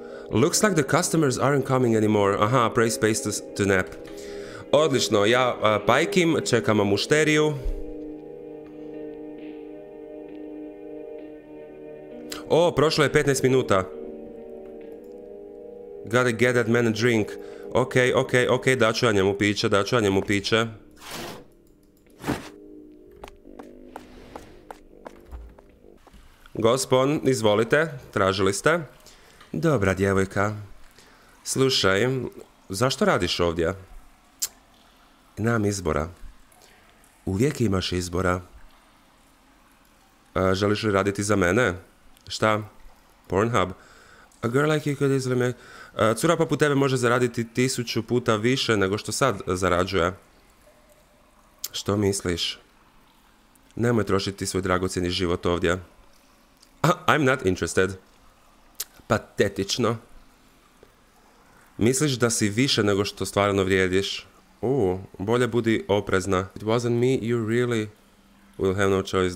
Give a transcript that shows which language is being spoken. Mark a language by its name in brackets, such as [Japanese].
[English] Looks like the customers aren't coming anymore. Aha, pray space to nap. [Croatian] Odlično, ja pajkim, čekam mušteriju. O, prošlo je 15 minuta. [English] Gotta get that man a drink. [Croatian] Ok, ok, ok, daću ja njemu piće, daću ja njemu piće. Gospon, izvolite, tražili ste. Dobra djevojka. Slušaj, zašto radiš ovdje? Nemam izbora. Uvijek imaš izbora. Želiš li raditi za mene? Šta? Pornhub? [English] A girl like you could easily make... [Croatian] cura poput tebe može zaraditi 1000 puta više nego što sad zarađuje. Što misliš? Nemoj trošiti svoj dragocjeni život ovdje. [English] I'm not interested. [Croatian] Patetično. Misliš da si više nego što stvarno vrijediš? Bolje budi oprezna. [English] It wasn't me, you really will have no choice.